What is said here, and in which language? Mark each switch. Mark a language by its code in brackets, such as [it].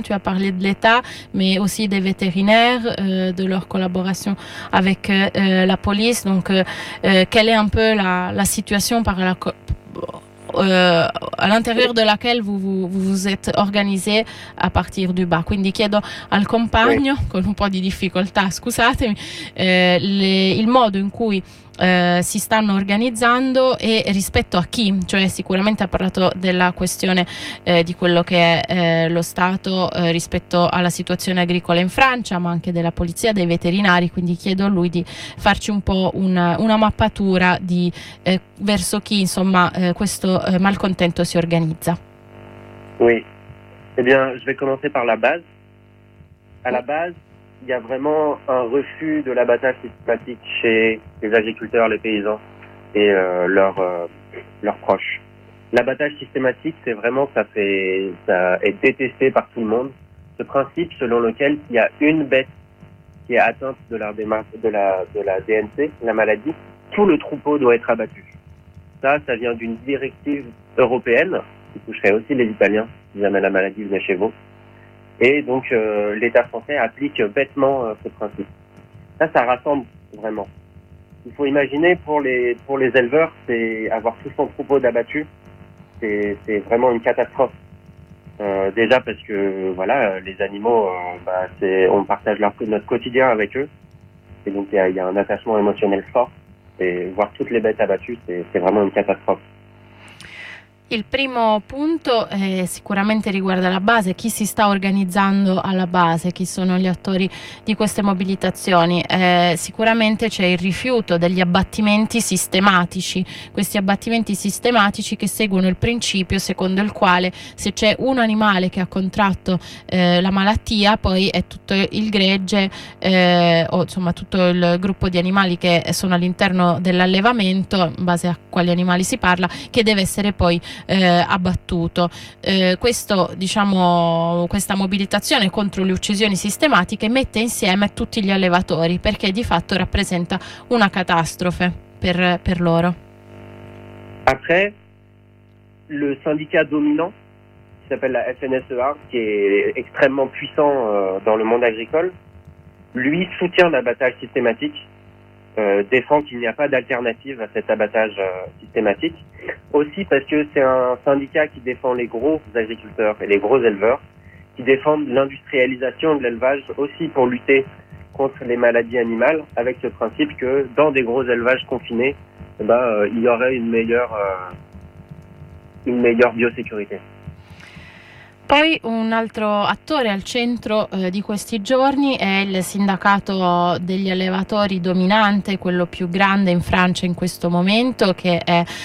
[fr] Tu as parlé de l'État, mais aussi des vétérinaires, de leur collaboration avec la police. Donc, quelle est un peu la situation par la à l'intérieur de laquelle vous êtes organisé à partir du bas? [it] Quindi chiedo al compagno, oui, con un po' di difficoltà, scusatemi, il modo in cui si stanno organizzando e rispetto a chi, cioè sicuramente ha parlato della questione di quello che è lo Stato rispetto alla situazione agricola in Francia, ma anche della polizia, dei veterinari, quindi chiedo a lui di farci un po' una mappatura di verso chi, insomma, questo malcontento si organizza. [fr] Oui, eh bien, je vais commencer par la base. À la base, il y a vraiment un refus de l'abattage systématique chez les agriculteurs, les paysans et leurs proches. L'abattage systématique, c'est vraiment, ça est détesté par tout le monde. Ce principe selon lequel il y a une bête qui est atteinte de la DNC, la maladie, tout le troupeau doit être abattu. Ça vient d'une directive européenne, qui toucherait aussi les Italiens, si jamais la maladie venait chez vous. Et donc l'État français applique bêtement ce principe. Ça rassemble vraiment. Il faut imaginer pour les éleveurs, c'est avoir tout son troupeau d'abattu, c'est vraiment une catastrophe. Déjà parce que voilà, les animaux, on partage notre quotidien avec eux, et donc il y a un attachement émotionnel fort. Et voir toutes les bêtes abattues, c'est vraiment une catastrophe. [it] Il primo punto sicuramente riguarda la base, chi si sta organizzando alla base, chi sono gli attori di queste mobilitazioni. Sicuramente c'è il rifiuto degli abbattimenti sistematici, questi abbattimenti sistematici che seguono il principio secondo il quale se c'è un animale che ha contratto la malattia, poi è tutto il gregge o insomma tutto il gruppo di animali che sono all'interno dell'allevamento, in base a quali animali si parla, che deve essere poi abbattuto. Questo, diciamo, questa mobilitazione contro le uccisioni sistematiche mette insieme tutti gli allevatori, perché di fatto rappresenta una catastrofe per loro. [fr] Après, le syndicat dominant, qui s'appelle la FNSEA, qui est extrêmement puissant dans le monde agricole, lui soutient l'abattage systématique, défend qu'il n'y a pas d'alternative à cet abattage systématique. Aussi parce que c'est un syndicat qui défend les gros agriculteurs et les gros éleveurs, qui défendent l'industrialisation de l'élevage aussi pour lutter contre les maladies animales, avec ce principe que dans des gros élevages confinés, il y aurait une meilleure biosécurité. [it] Poi un altro attore al centro di questi giorni è il sindacato degli allevatori dominante, quello più grande in Francia in questo momento, che è